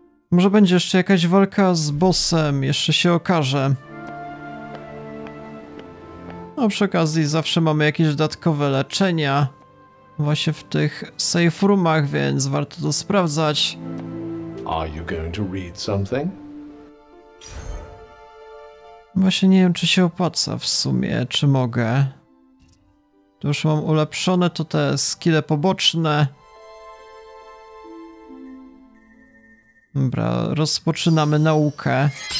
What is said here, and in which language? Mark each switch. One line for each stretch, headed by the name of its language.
Polish: Może będzie jeszcze jakaś walka z bossem, jeszcze się okaże. No przy okazji zawsze mamy jakieś dodatkowe leczenia. Właśnie w tych safe roomach, więc warto to sprawdzać.
English: Are you going to read something?
Polish: Właśnie nie wiem, czy się opłaca w sumie, czy mogę. To już mam ulepszone, to te skille poboczne. Dobra, rozpoczynamy naukę.